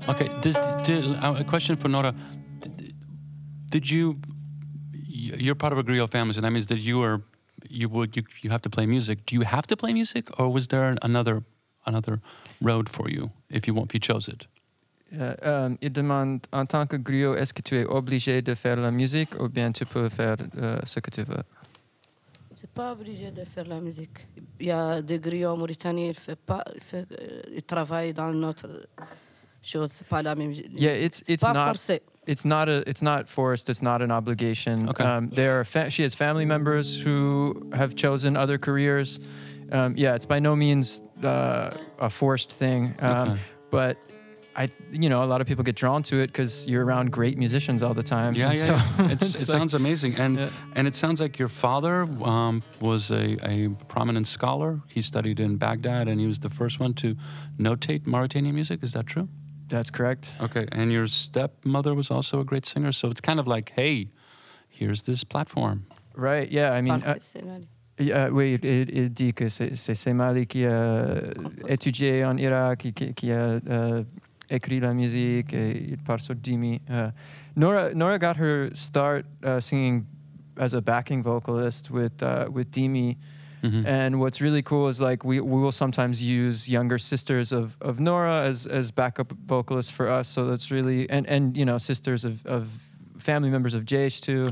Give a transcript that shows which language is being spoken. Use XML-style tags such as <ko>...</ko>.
<en>okay, a question for Noora. Did you? You're part of a griot family, so that means that you have to play music. Do you have to play music, or was there another road for you if you chose it?</en> <fr>Il demande en tant que griot, est-ce que tu es obligé de faire la musique, ou bien tu peux faire ce que tu veux? C'est pas obligé de faire la musique. Il y a des griots mauritaniens, ils travaillent dans notre chose. C'est pas la même musique.</fr> <en>Yeah, it's not forcé. It's not forced. It's not an obligation. Okay. She has family members who have chosen other careers. It's by no means a forced thing. But a lot of people get drawn to it because you're around great musicians all the time. Yeah, yeah. It sounds amazing. And it sounds like your father was a prominent scholar. He studied in Baghdad, and he was the first one to notate Mauritanian music. Is that true? That's correct. Okay, and your stepmother was also a great singer, so it's kind of like, hey, here's this platform. Right, yeah, I mean...</en> <fr>Il dit que c'est Mali qui a étudié en Irak, qui a écrit la musique, et il parle sur Dimi.</fr> <en>Noora got her start singing as a backing vocalist with Dimi. Mm-hmm. And what's really cool is like we will sometimes use younger sisters of Noora as backup vocalists for us. So that's really and you know, sisters of family members of Jesh too.</en>